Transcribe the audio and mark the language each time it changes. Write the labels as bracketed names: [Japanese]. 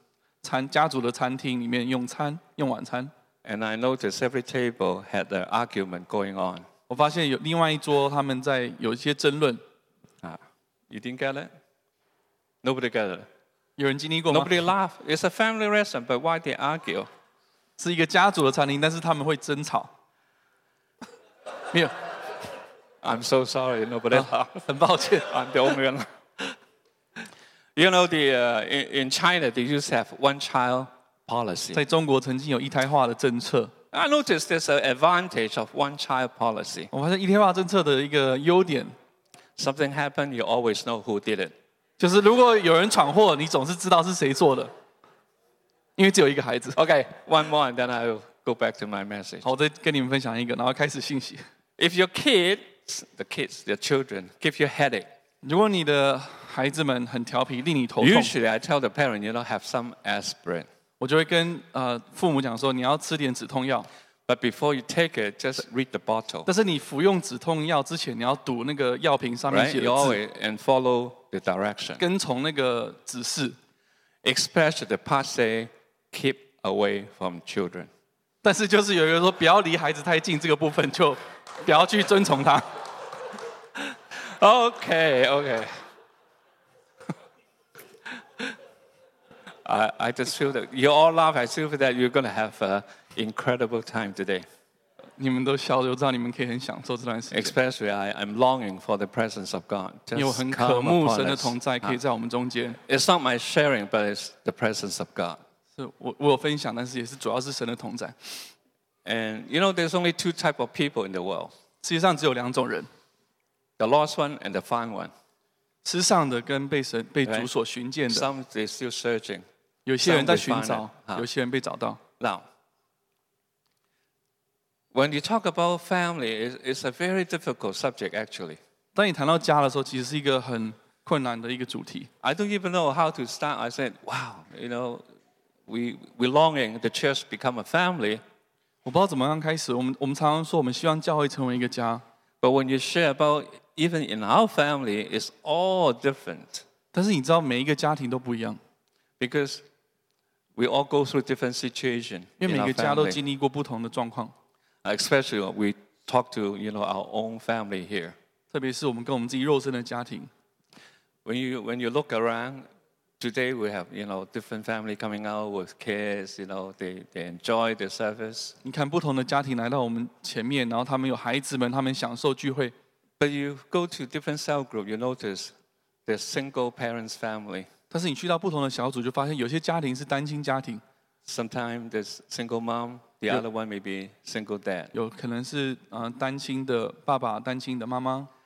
[Chinese] 有一次我在一个很好的一个家庭的餐厅里面用餐用晚餐. [English] And I noticed every table had an argument going on. [Chinese] 我发现有另外一桌他们在有一些争论. [English] You didn't get it? Nobody got it. [Chinese] 有人经历过吗? [English] Nobody laughed. It's a family restaurant, but why they argue? [Chinese] 是一个家族的餐厅，但是他们会争吵. 没有. [English] I'm so sorry. Nobody laughed. [Chinese] 很抱歉. [English] I'm the only one. You know, in China, they used to have one child policy. [Chinese] 在中国曾经有一胎化的政策. [English] I noticed there's an advantage of one-child policy. [Chinese] 我发现一胎化政策的一个优点. [English] Something happened, you always know who did it. [Chinese] 就是如果有人闯祸，你总是知道是谁做的. 因为只有一个孩子. [English] Okay, one more, and then I'll go back to my message. [Chinese] 好，我再跟你们分享一个，然后开始信息. [English] If your kids, the kids, the children, give you a headache. [Chinese] 如果你的孩子们很调皮，令你头痛. [English] Usually, I tell the parent, you know, have some aspirin. [Chinese] 我就会跟, 父母讲说, 你要吃点止痛药。 [English] But before you take it, just read the bottle. [Chinese] 但是你服用止痛药之前, 你要读那个药瓶上面写的字。 [English] Right? You always and follow the direction. [Chinese] 跟从那个指示。 [English] Especially the part say, keep away from children. [Chinese] 但是就是有一个说, 不要离孩子太近, 这个部分, 就不要去遵从他。 [English] Okay, okay. I just feel that you all laugh. I still feel that you're going to have an incredible time today. [Chinese] 你们都笑，就知道你们可以很享受这段时间. [English] Especially, I'm longing for the presence of God. Just [Chinese] 有很渴慕神的同在，可以在我们中间. [English] It's not my sharing, but it's the presence of God. [Chinese] 是我分享，但是也是主要是神的同在. [English] And you know, there's only two types of people in the world. [Chinese] 世界上只有两种人. [English] The lost one and the found one. [Chinese] 世上的跟被神被主所寻见的. [English] Right? Some they're still searching. [Chinese] 有些人在寻找, 有些人被找到. [English] Now, when you talk about family, it's a very difficult subject, actually. [Chinese] 当你谈到家的时候, 其实是一个很困难的一个主题. [English] I don't even know how to start. I said, wow, you know, we longing the church become a family. [Chinese] 我不知道怎么样开始, 我们常常说, 我们希望教会成为一个家. [English] But when you share about even in our family, it's all different. [Chinese] 但是你知道每一个家庭都不一样. [English] Because we all go through different situations in our family. Especially when we talk to you know, our own family here. [Chinese] 特别是我们跟我们自己肉身的家庭. [English] When you look around, today we have you know, different family coming out with kids, you know, they enjoy the service. [Chinese] 你看不同的家庭来到我们前面, 然后他们有孩子们, 他们享受聚会. [English] But you go to different cell group, you notice the single parents family. [Chinese] 但是你去到不同的小组，就发现有些家庭是单亲家庭。 [English] Sometimes there's single mom, the other one may be single dad. [Chinese] 有可能是单亲的爸爸，单亲的妈妈。